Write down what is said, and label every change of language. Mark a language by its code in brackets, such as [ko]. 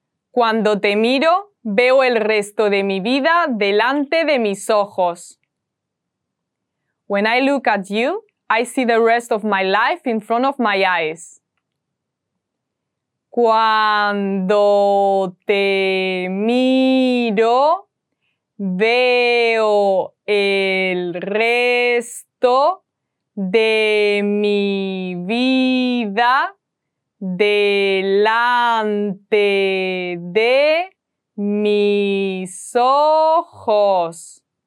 [es] Cuando te miro, veo el resto de mi vida delante de mis ojos. [en] When I look at you, I see the rest of my life in front of my eyes. [es] Cuando te miro, veo el resto de mi vida delante de mis ojos.